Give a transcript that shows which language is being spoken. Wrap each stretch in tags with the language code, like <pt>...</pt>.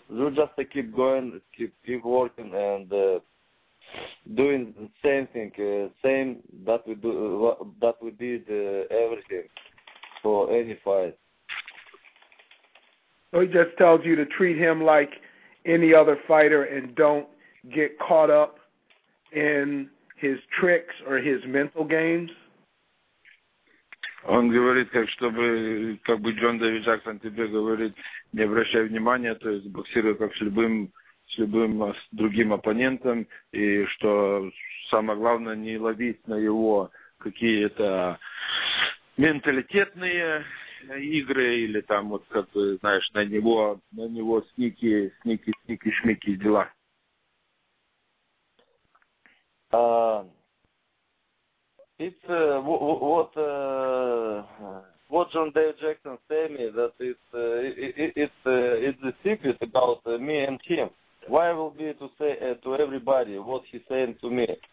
<en>Just to keep going, keep working, and doing the same thing, same that we do, that we did everything for any fight. So he just tells you to treat him like any other fighter and don't get caught up in his tricks or his mental games.</en> <ru>Он говорит, как бы Джон Дэвид Джексон тебе говорит, не обращай внимания, то есть боксируй как с любым другим оппонентом, и что самое главное, не ловить на его какие-то менталитетные игры или там вот как бы, знаешь, на него сники шмики дела.</ru> <en>It's what John Dave Jackson said me that it's the secret about me and him. Why will be to say to everybody what he saying to me?</en>